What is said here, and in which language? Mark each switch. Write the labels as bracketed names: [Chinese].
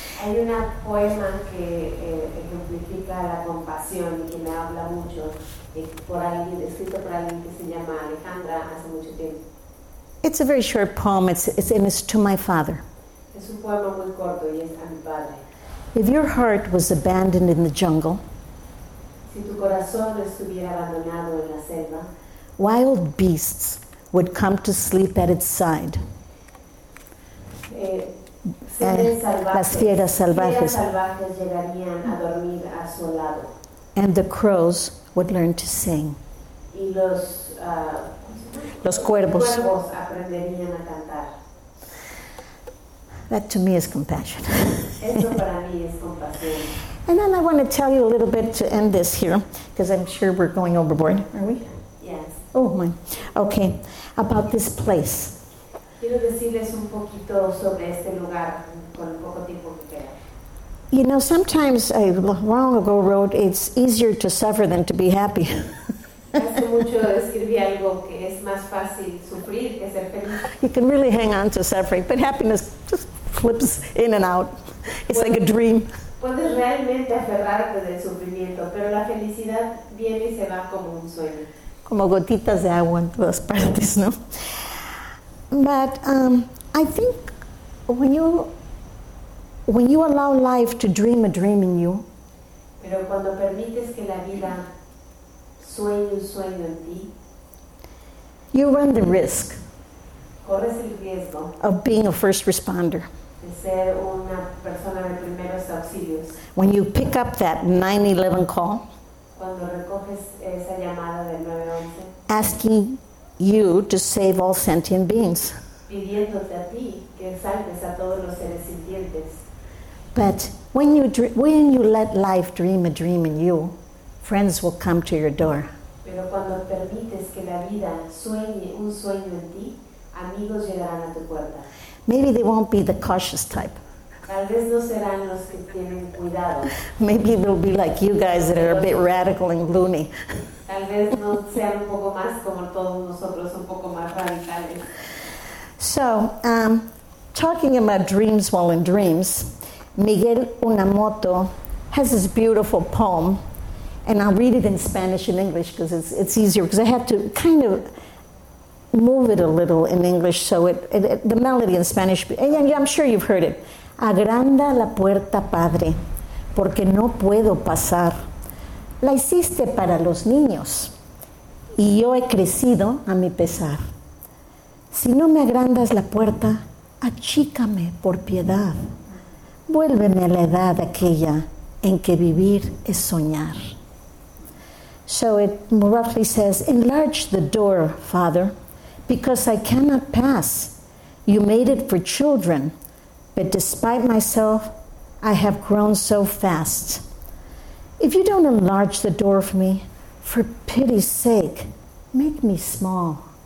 [Spanish] Hay una poema que ejemplifica la compasión y que me habla mucho, por alguien, escrito por alguien que se llama Alejandra hace mucho tiempo. [English] It's a very short poem. It's and it's to my father. [Spanish] Es un poema muy corto y es a mi padre. [English] If your heart was abandoned in the jungle, [Spanish] si tu corazón estuviera abandonado en la selva, [English] wild beasts would come to sleep at its side. [Spanish] Las fieras salvajes llegarían a dormir a su lado. [English] And the crows would learn to sing. [Spanish] Y los cuervos aprenderían a cantar. [English] That to me is compassion. [Spanish] Eso para mí es compasión. [English] And then I want to tell you a little bit to end this here, because I'm sure we're going overboard, are we? Yes. Oh, my. Okay. About this place. [Spanish] Quiero decirles un poquito sobre este lugar con poco tiempo que queda. [English] You know, sometimes a long ago wrote, it's easier to suffer than to be happy. You can really hang on to suffering, but happiness just flips in and out. It's like a dream. [Spanish] Puedes realmente aferrarte del sufrimiento, pero la felicidad viene y se va como un sueño. Como gotitas de agua en todas partes, ¿no? [English] But I think when you allow life to dream a dream in you, [Spanish] pero cuando permites que la vida sueño un sueño en ti, [English] you run the risk, [Spanish] corres el riesgo [English] of being a first responder. [Spanish] Ser una persona de primeros auxilios. [English] When you pick up that 911 call, [Spanish] cuando recoges esa llamada del 911, [English] asking you to save all sentient beings, [Spanish] pidiéndote a ti que salves a todos los seres sintientes. [English] But when you let life dream a dream in you, friends will come to your door. [Spanish] Pero cuando permites que la vida sueñe un sueño en ti, amigos llegarán a tu puerta. [English] Maybe they won't be the cautious type. [Spanish] Tal vez no serán los que tienen cuidado. [English] Maybe they'll be like you guys that are a bit radical and loony. [Spanish] Tal vez no sean un poco más como todos nosotros, un poco más radicales. [English] So, talking about dreams while in dreams, Miguel Unamoto has this beautiful poem, and I'll read it in Spanish and English because it's easier, because I have to kind of move it a little in English, so it the melody in Spanish, and I'm sure you've heard it. [Spanish] Agranda la puerta, padre, porque no puedo pasar. La hiciste para los niños, y yo he crecido a mi pesar. Si no me agrandas la puerta, achícame por piedad. Vuélveme a la edad aquella en que vivir es soñar. [English] So it roughly says, enlarge the door, father, because I cannot pass. You made it for children, but despite myself, I have grown so fast. If you don't enlarge the door for me, for pity's sake, make me small.